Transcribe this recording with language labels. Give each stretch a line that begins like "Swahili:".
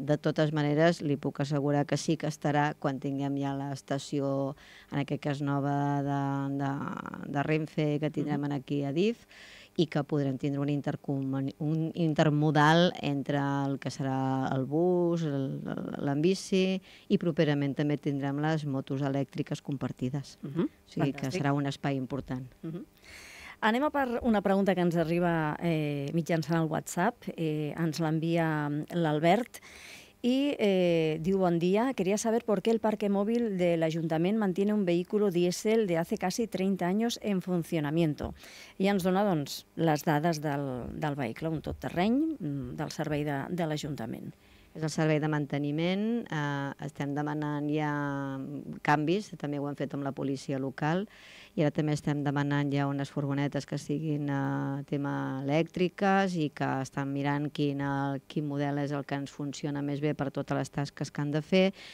Catalan: De totes maneres, li puc assegurar que sí que estarà quan tinguem ja l'estació, en aquest cas nova, de Renfe, que tindrem aquí a DIF, i que podrem tindre un intermodal entre el que serà el bus, l'Ambici, i properament també tindrem les motos elèctriques compartides. O sigui, fantàstic, que serà un espai important. Anem a per una pregunta que ens arriba mitjançant el WhatsApp. Ens l'envia l'Albert.
Spanish: Y
Catalan: diu bon dia,
Spanish: quería saber por qué el parque móvil del ayuntamiento mantiene un vehículo diésel de hace casi 30 años en funcionamiento.
Catalan: I ens dona doncs les dades del vehicle, un tot terreny del servei de l'ajuntament. És el servei de manteniment, estem demanant ja canvis, també ho hem fet amb la policia local, i ara també estem demanant ja unes furgonetes que siguin a tema elèctriques i que estan mirant quin model és el que ens funciona més bé per totes les tasques que han de fer,